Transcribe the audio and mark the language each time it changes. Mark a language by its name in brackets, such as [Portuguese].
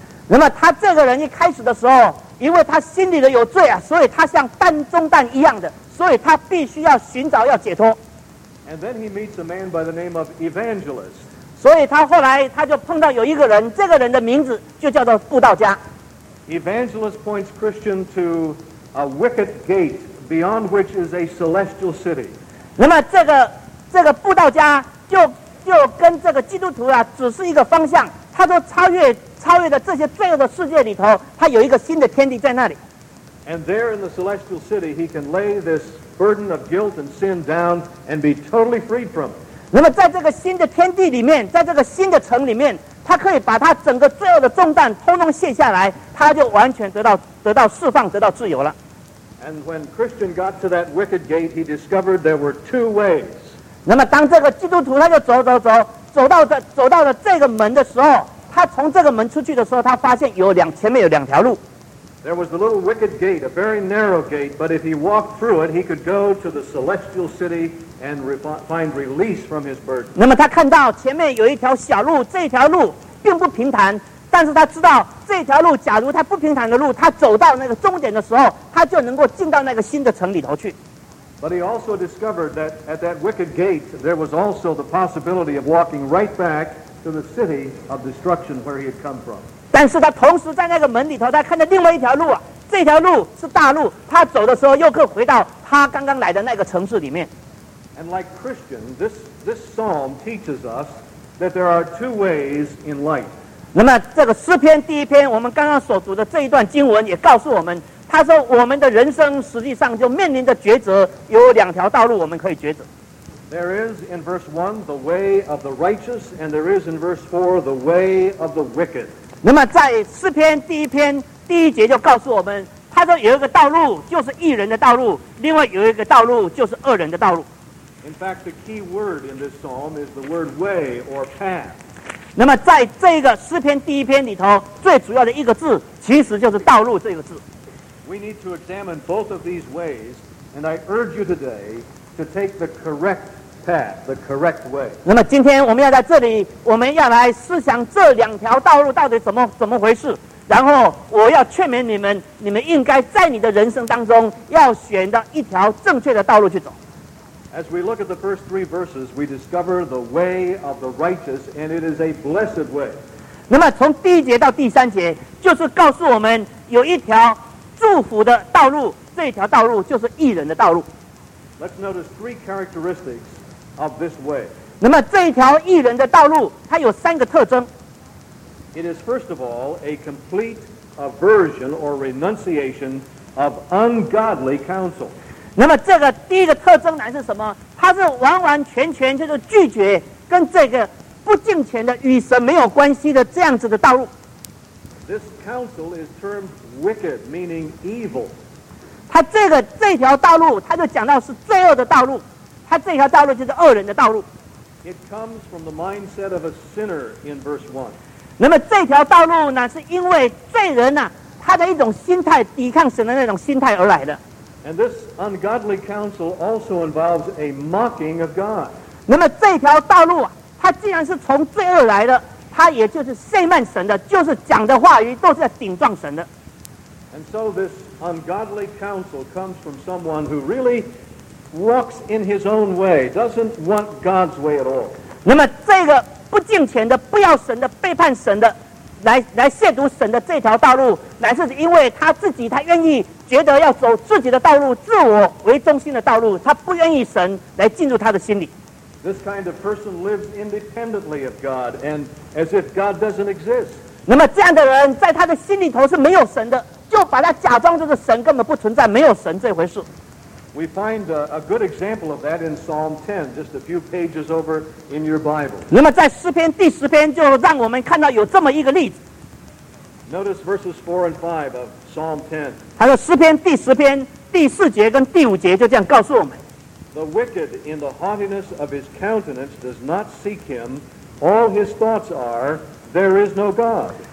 [Chinese] 那么他这个人一开始的时候，因为他心里的有罪啊，所以他像蛋中蛋一样的，所以他必须要寻找要解脱。 [English] And then he meets a man by the name of Evangelist. [Chinese] 所以他后来他就碰到有一个人，这个人的名字就叫做布道家。 [English] Evangelist points Christian to a wicket gate beyond which is a celestial city. [Chinese] 那么这个布道家就跟这个基督徒啊，只是一个方向。他说超越了这些罪恶的世界里头，他有一个新的天地在那里。 [English] And there in the celestial city, he can lay this burden of guilt and sin down and be totally freed from it. [Chinese] 那么在这个新的天地里面，在这个新的城里面，他可以把他整个罪恶的重担通通卸下来，他就完全得到释放，得到自由了。 [English] And when Christian got to that wicket gate, he discovered there were two ways. [Chinese] 那么当这个基督徒他就走到了这个门的时候，他从这个门出去的时候，他发现前面有两条路。 [English] There was the little wicket gate, a very narrow gate, but if he walked through it, he could go to the celestial city and find release from his burden. [Chinese] 那么他看到前面有一条小路，这条路并不平坦，但是他知道这条路假如他不平坦的路，他走到那个终点的时候，他就能够进到那个新的城里头去。 [English] But he also discovered that at that wicked gate, there was also the possibility of walking right back to the city of destruction where he had come from. [Chinese] 但是他同时在那个门里头，他看到另外一条路啊，这条路是大路，他走的时候又可以回到他刚刚来的那个城市里面。 [English] And like Christian, this psalm teaches us that there are two ways in life. [Chinese] 那么这个诗篇第一篇，我们刚刚所读的这一段经文也告诉我们，他说我们的人生实际上就面临着抉择，有两条道路我们可以抉择。 [English] There is in verse 1 the way of the righteous, and there is in verse 4 the way of the wicked. [Chinese] 那么在诗篇第一篇第一节就告诉我们，他说有一个道路就是义人的道路，另外有一个道路就是恶人的道路。 [English] In fact, the key word in this psalm is the word way or path. [Chinese] 那么在这个诗篇第一篇里头，最主要的一个字其实就是道路这个字。 [English] We need to examine both of these ways, and I urge you today to take the correct path, the correct way. [Chinese] 那么今天我们要在这里，我们要来思想这两条道路到底怎么回事。然后我要劝勉你们，你们应该在你的人生当中要选到一条正确的道路去走。 [English] As we look at the first three verses, we discover the way of the righteous, and it is a blessed way. [Chinese] 那么从第一节到第三节，就是告诉我们有一条祝福的道路，这条道路就是义人的道路。 [English] Let's notice three characteristics of this way. [Chinese] 那么这一条义人的道路，它有三个特征。 [English] It is first of all a complete aversion or renunciation of ungodly counsel. [Chinese] 那么这个第一个特征乃是什么？它是完完全全就是拒绝跟这个不敬虔的、与神没有关系的这样子的道路。 [English] This counsel is termed wicked, meaning evil. [Chinese] 它这条道路，它就讲到是罪恶的道路，它这条道路就是恶人的道路。 [English] It comes from the mindset of a sinner in verse 1. [Chinese] 那么这条道路呢，是因为罪人呢、啊，他的一种心态，抵抗神的那种心态而来的。 [English] And this ungodly counsel also involves a mocking of God. [Chinese] 那么这条道路啊，它既然是从罪恶来的，它也就是亵慢神的，就是讲的话语都是在顶撞神的。 [English] And so this ungodly counsel comes from someone who really walks in his own way, doesn't want God's way at all. [Chinese] 那么这个。不敬虔的、不要神的、背叛神的，来亵渎神的这条道路，乃是因为他自己，他愿意觉得要走自己的道路，自我为中心的道路，他不愿意神来进入他的心里。 [English] This kind of person lives independently of God and as if God doesn't exist. [Chinese] 那么这样的人在他的心里头是没有神的，就把他假装就是神根本不存在，没有神这回事。 [English] We find a good example of that in Psalm 10, just a few pages over in your Bible. [Chinese] 那么在诗篇第十篇就让我们看到有这么一个例子。 [English] Notice verses 4 and 5 of Psalm 10. [Chinese] 他说诗篇第十篇第四节跟第五节就这样告诉我们。 [English] The wicked in the haughtiness of his countenance does not seek him. All his thoughts are, there is no God.